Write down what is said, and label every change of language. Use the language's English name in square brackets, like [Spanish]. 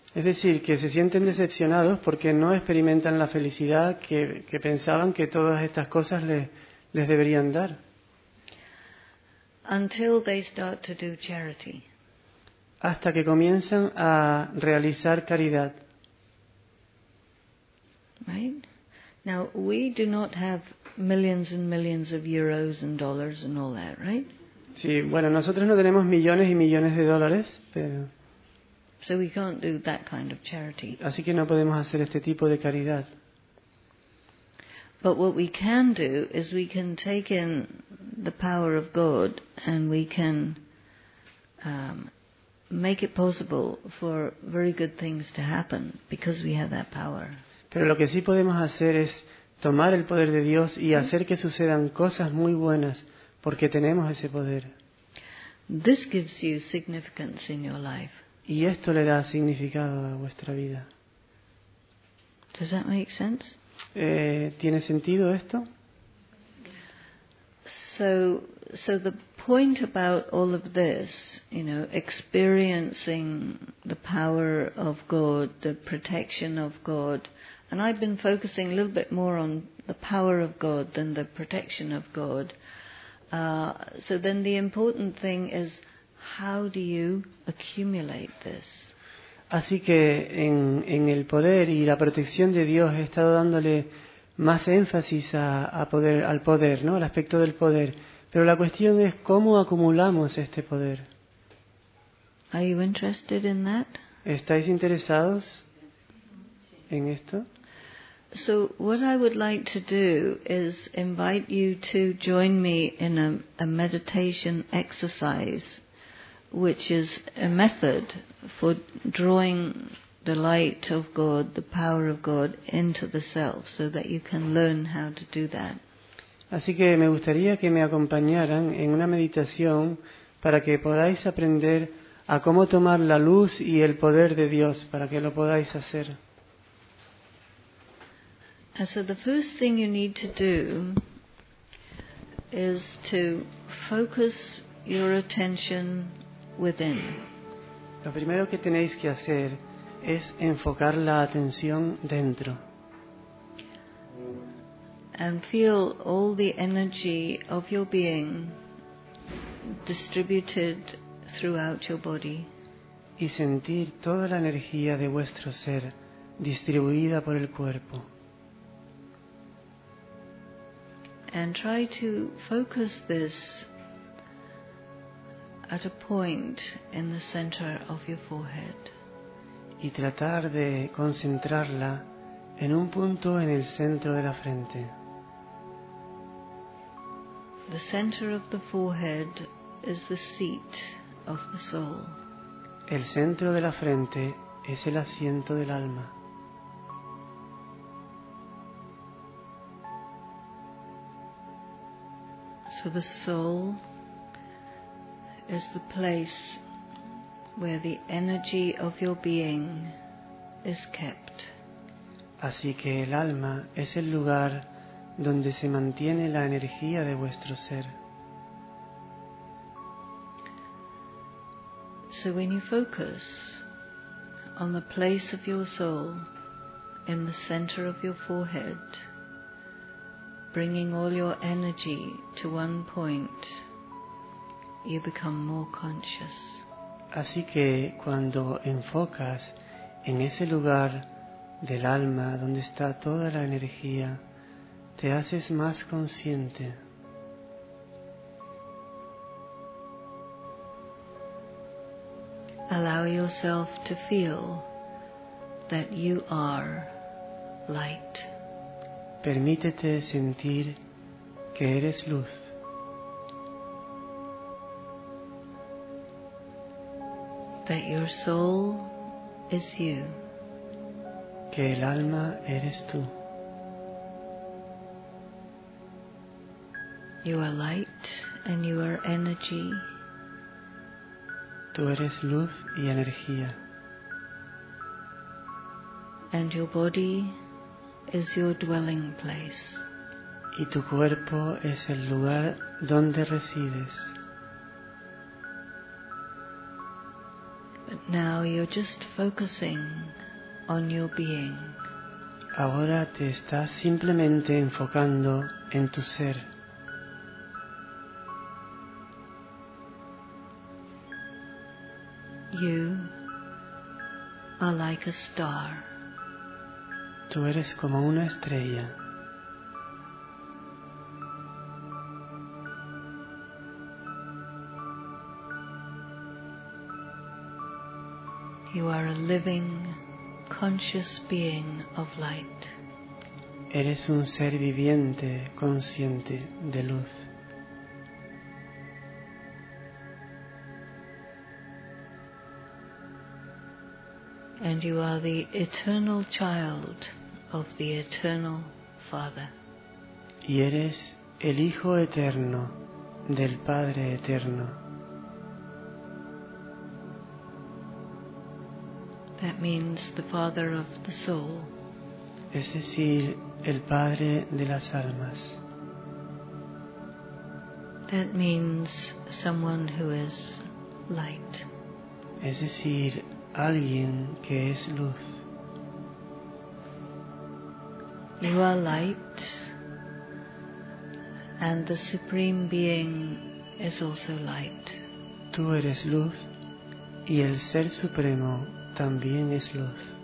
[Spanish] Es decir, que se sienten decepcionados porque no experimentan la felicidad que pensaban que todas estas cosas les deberían dar. [English] Until they start to do charity. [Spanish] Hasta que comienzan a realizar caridad. [English] Right? Now, we do not have millions and millions of euros and dollars and all that, right? [Spanish] Sí, bueno, nosotros no tenemos millones y millones de dólares, pero... [English] So we can't do that kind of charity. [Spanish] Así que no podemos hacer este tipo de caridad. [English] But what we can do is we can take in the power of God and we can make it possible for very good things to happen because we have that power. [Spanish] Pero lo que sí podemos hacer es tomar el poder de Dios y hacer que sucedan cosas muy buenas porque tenemos ese poder. [English] This gives you significance in your life. [Spanish] Y esto le da significado a vuestra vida. [English] Does that make sense? [Spanish] ¿Tiene sentido esto? [English] So the point about all of this, you know, experiencing the power of God, the protection of God, and I've been focusing a little bit more on the power of God than the protection of God. So then the important thing is, how do you accumulate this? [Spanish] Así que en el poder y la protección de Dios he estado dándole más énfasis al poder, ¿no? Al aspecto del poder. Pero la cuestión es cómo acumulamos este poder. [English] Are you interested in that? [Spanish] ¿Estáis interesados en esto? [English] So what I would like to do is invite you to join me in a meditation exercise, which is a method for drawing the light of God, the power of God, into the self, so that you can learn how to do that. [Spanish] Así que me gustaría que me acompañaran en una meditación para que podáis aprender a cómo tomar la luz y el poder de Dios, para que lo podáis hacer. [English] And so the first thing you need to do is to focus your attention within. [Spanish] Lo primero que tenéis que hacer es enfocar la atención dentro. [English] And feel all the energy of your being distributed throughout your body. [Spanish] Y sentir toda la energía de vuestro ser distribuida por el cuerpo. [English] And try to focus this at a point in the center of your forehead. [Spanish] Y tratar de concentrarla en un punto en el centro de la frente. [English] The center of the forehead is the seat of the soul. [Spanish] El centro de la frente es el asiento del alma. [English] So the soul is the place where the energy of your being is kept. [Spanish] Así que el alma es el lugar donde se mantiene la energía de vuestro ser. [English] So when you focus on the place of your soul in the center of your forehead, bringing all your energy to one point, you become more conscious. [Spanish] Así que cuando enfocas en ese lugar del alma donde está toda la energía, te haces más consciente. [English] Allow yourself to feel that you are light. [Spanish] Permítete sentir que eres luz. [English] That your soul is you. [Spanish] Que el alma eres tú. [English] You are light and you are energy. [Spanish] Tú eres luz y energía. [English] And your body is your dwelling place. [Spanish] Y tu cuerpo es el lugar donde resides. [English] Now you're just focusing on your being. [Spanish] Ahora te estás simplemente enfocando en tu ser. [English] You are like a star. [Spanish] Tú eres como una estrella. [English] You are a living, conscious being of light. [Spanish] Eres un ser viviente, consciente de luz. [English] And you are the eternal child of the eternal Father. [Spanish] Y eres el hijo eterno del Padre eterno. [English] That means the father of the soul. [Spanish] Es decir, el padre de las almas. [English] That means someone who is light. [Spanish] Es decir, alguien que es luz. [English] You are light, and the supreme being is also light. [Spanish] Tú eres luz, y el ser supremo también es luz.